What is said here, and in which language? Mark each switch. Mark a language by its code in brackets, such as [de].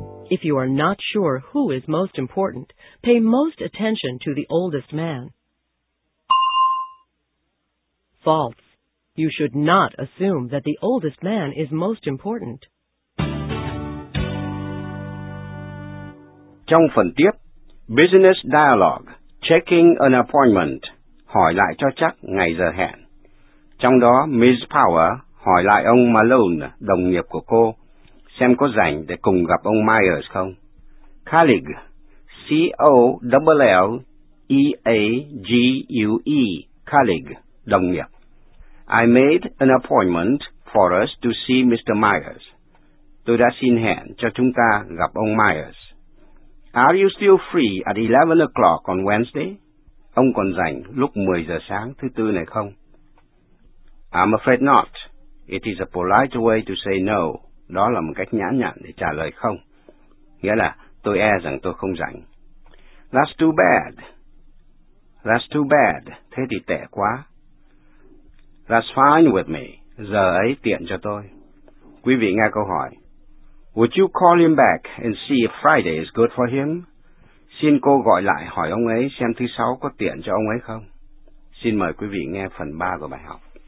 [en] If you are not sure who is most important, pay most attention to the oldest man. False. You should not assume that the oldest man is most important. [vi] Trong phần tiếp, Business Dialogue, Checking an Appointment, hỏi lại cho chắc ngày giờ hẹn. Trong đó, Ms. Power hỏi lại ông Malone, đồng nghiệp của cô, xem có rảnh để cùng gặp ông Myers không? Colleague, COLLEAGUE, colleague, đồng nghiệp. [en] I made an appointment for us to see Mr. Myers. [vi] Tôi đã xin hẹn cho chúng ta gặp ông Myers. [en] Are you still free at 11 o'clock on Wednesday? [vi] Ông còn rảnh lúc 10 giờ sáng thứ tư này không? [en] I'm afraid not. It is a polite way to say no. [vi] Đó là một cách nhã nhặn để trả lời không. Nghĩa là tôi e rằng tôi không rảnh. [en] That's too bad. That's too bad. [vi] Thế thì tệ quá. [en] That's fine with me. [vi] Giờ ấy tiện cho tôi. Quý vị nghe câu hỏi. [en] Would you call him back and see if Friday is good for him? [vi] Xin cô gọi lại hỏi ông ấy xem thứ sáu có tiện cho ông ấy không? Xin mời quý vị nghe phần 3 của bài học.